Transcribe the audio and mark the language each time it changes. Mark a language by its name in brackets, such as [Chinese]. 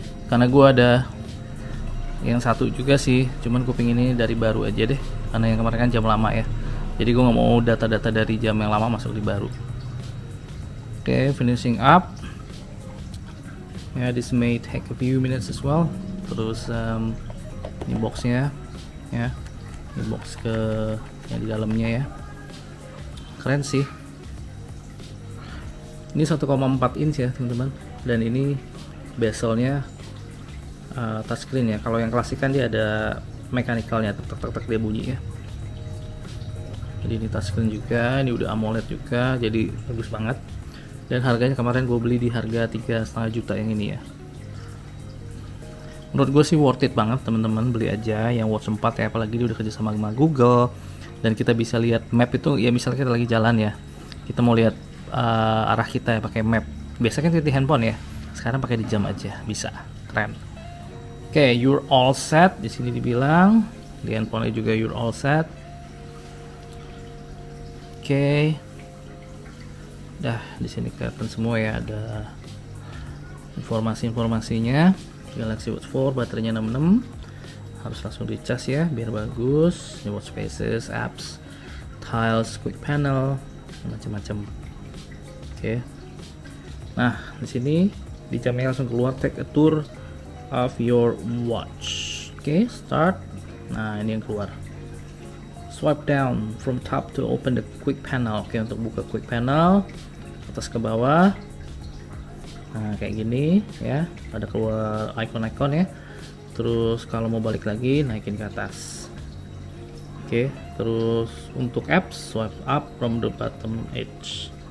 [Indonesian] Karena gue ada yang satu juga sih, cuman kuping ini dari baru aja deh, karena yang kemarin kan jam lama ya. Jadi gue nggak mau data-data dari jam yang lama masuk di baru. [English] Oke, okay, finishing up. Yeah, this may take a few minutes as well. [Indonesian] Terus ini boxnya, ya. Ini box ke yang di dalamnya ya, keren sih. Ini 1,4 inch ya teman-teman, dan ini bezelnya touchscreen ya. Kalau yang klasik kan dia ada mechanicalnya, tek-tek-tek dia bunyi ya. Jadi ini touchscreen juga, ini udah AMOLED juga, jadi bagus banget. Dan harganya kemarin gue beli di harga 3,5 juta yang ini ya. Menurut gue sih worth it banget teman-teman, beli aja yang Watch 4 ya, apalagi dia udah kerja sama Google dan kita bisa lihat map itu ya. Misalnya kita lagi jalan ya, kita mau lihat arah kita ya pakai map, biasanya kita di handphone ya, sekarang pakai di jam aja bisa, keren. Oke, [English] okay, you're all set, [Indonesian] di sini dibilang di handphone juga [English] you're all set. Oke, okay. [Indonesian] Dah di sini kelihatan semua ya, ada informasinya. Galaxy Watch 4 baterainya 66, harus langsung di charge ya biar bagus. [English] New watch faces, apps, tiles, quick panel, macam-macam. [Indonesian] Oke. Okay. Nah, di sini di jamnya langsung keluar [English] take a tour of your watch. [Indonesian] Oke, [English] okay, start. [Indonesian] Nah, ini yang keluar. [English] Swipe down from top to open the quick panel. [Indonesian] Oke, okay, untuk buka quick panel atas ke bawah. Nah, kayak gini ya, ada keluar icon-icon ya. Terus kalau mau balik lagi naikin ke atas. Oke, terus untuk apps [English] swipe up from the bottom edge.